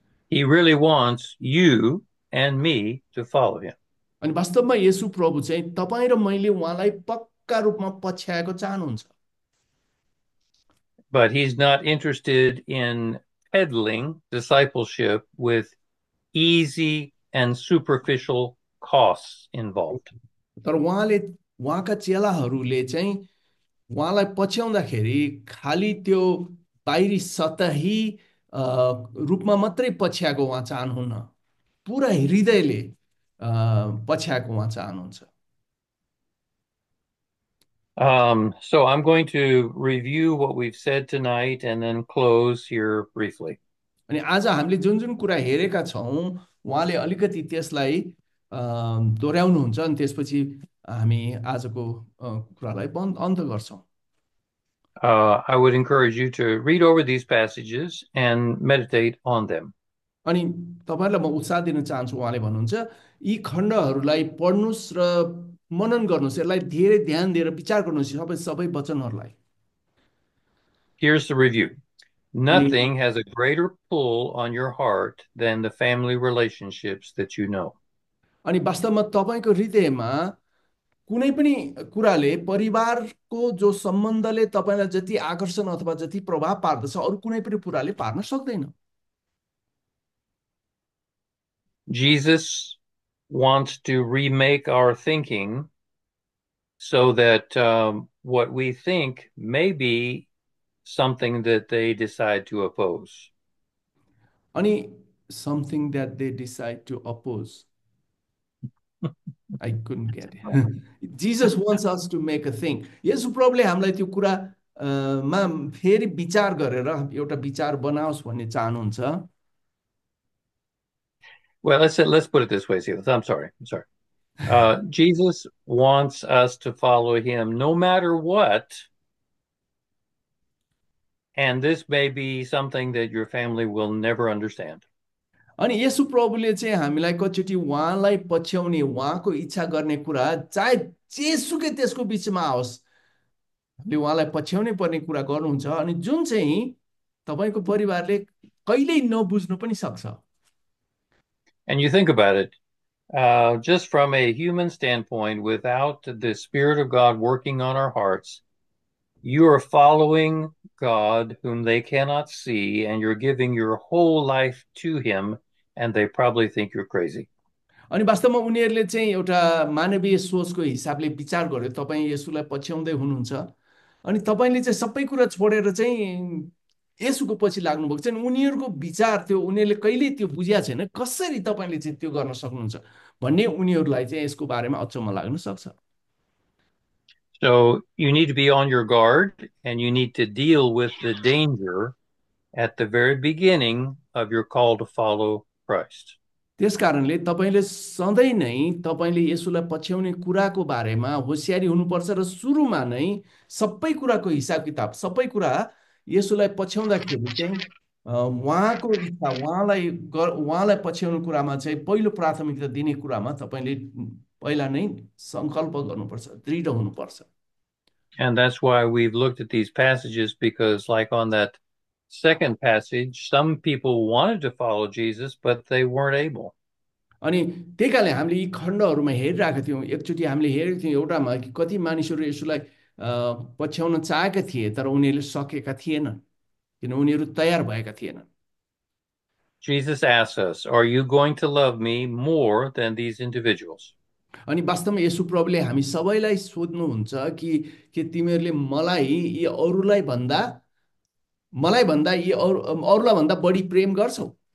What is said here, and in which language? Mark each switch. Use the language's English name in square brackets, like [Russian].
[English] He really wants you and me to follow him. [Nepali] अनि वास्तवमा येशु प्रभु चाहिँ तपाईँ र मैले उहाँलाई पक्का रूपमा पछ्याएको चाहनुहुन्छ। [English] But he's not interested in peddling discipleship with easy and superficial costs involved. [Nepali] तर उहाँका चेलाहरूले चाहिँ उहाँलाई पछ्याउँदाखेरि खालि त्यो बाहिरी सतही रूपमा मात्रै पछ्याएको उहाँ चाहनुहुन्न, पुरा हृदयले पछ्याएको उहाँ चाहनुहुन्छ। [English] So I'm going to review what we've said tonight and then close here briefly. [Nepali] अनि आज हामीले जुन जुन कुरा हेरेका छौँ उहाँले अलिकति त्यसलाई दोहोऱ्याउनुहुन्छ, अनि त्यसपछि हामी आजको कुरालाई बन्द अन्त गर्छौँ। [English] I would encourage you to read over these passages and meditate on them. [Nepali] अनि तपाईँहरूलाई म उत्साह दिन चाहन्छु, उहाँले भन्नुहुन्छ यी खण्डहरूलाई पढ्नुहोस् र मनन गर्नुहोस्, यसलाई धेरै ध्यान दिएर विचार गर्नुहोस् सबै सबै वचनहरूलाई। [English] Here's the review. [Nepali] अनि [English] Nothing has a greater pull on your heart than the family relationships that you know. [Nepali] अनि वास्तवमा तपाईँको हृदयमा कुनै पनि कुराले परिवारको जो सम्बन्धले तपाईँलाई जति आकर्षण अथवा जति प्रभाव पार्दछ अरू कुनै पनि कुराले पार्न सक्दैन। [English] Jesus wants to remake our thinking so that what we think may be something that they decide to oppose. अनि something that they decide to oppose, I couldn't get it. Jesus wants us to make a thing, [Nepali] Yeshu प्रभुले हामीलाई त्यो कुरा मा फेरि विचार गरेर एउटा विचार बनाओस् भन्ने चाहनुहुन्छ। [English] Let's put it this way, see. I'm sorry. Jesus wants us to follow him no matter what. And this may be something that your family will never understand. [Nepali] अनि येशु प्रभुले चाहिँ हामीलाई कतिचोटि उहाँलाई पछ्याउने उहाँको इच्छा गर्ने कुरा चाहे जेसुकै त्यसको बिचमा आओस् हामीले उहाँलाई पछ्याउनै पर्ने कुरा गर्नुहुन्छ, अनि जुन चाहिँ तपाईँको परिवारले कहिल्यै नबुझ्नु पनि सक्छ। [English] And you think about it, just from a human standpoint, without the Spirit of God working on our hearts, you are following God, whom they cannot see, and you're giving your whole life to him, and they probably think you're crazy. [Nepali] अनि वास्तवमा उनीहरूले चाहिँ एउटा मानवीय सोचको हिसाबले विचार गर्यो, तपाईँ येसुलाई पछ्याउँदै हुनुहुन्छ अनि तपाईँले चाहिँ सबै कुरा छोडेर चाहिँ येसुको पछि लाग्नुभएको छ, अनि उनीहरूको विचार त्यो उनीहरूले कहिल्यै त्यो बुझ्या छैन, कसरी तपाईँले चाहिँ त्यो गर्न सक्नुहुन्छ भन्ने उनीहरूलाई चाहिँ यसको बारेमा अचम्म लाग्न सक्छ। [English] So you need to be on your guard and you need to deal with the danger at the very beginning of your call to follow Christ. [Nepali] त्यस कारणले तपाईँले सधैँ नै तपाईँले येशूलाई पछ्याउने कुराको बारेमा होसियारी हुनुपर्छ र सुरुमा नै सबै कुराको हिसाब किताब सबै कुरा येशूलाई पछ्याउँदाखेरि चाहिँ उहाँको इच्छा उहाँलाई पछ्याउने कुरामा चाहिँ पहिलो प्राथमिकता दिने कुरामा तपाईँले पहिला नै सङ्कल्प गर्नुपर्छ, दृढ हुनुपर्छ। [English] And that's why we've looked at these passages because, like on that second passage, some people wanted to follow Jesus, but they weren't able. [Nepali] अनि त्यही कारणले हामीले यी खण्डहरूमा हेरिरहेको थियौँ, एकचोटि हामीले हेरेको थियौँ एउटामा कि कति मानिसहरू यसलाई पछ्याउन चाहेका थिए तर उनीहरूले सकेका थिएनन्। किन उनीहरू तयार भएका थिएनन्। [English] Jesus asks us, are you going to love me more than these individuals? [Nepali] अनि वास्तवमा येशू प्रभुले हामी सबैलाई सोध्नुहुन्छ कि के तिमीहरूले मलाई यी अरूलाई भन्दा मलाई भन्दा यी अरूलाई भन्दा बढी प्रेम गर्छौ?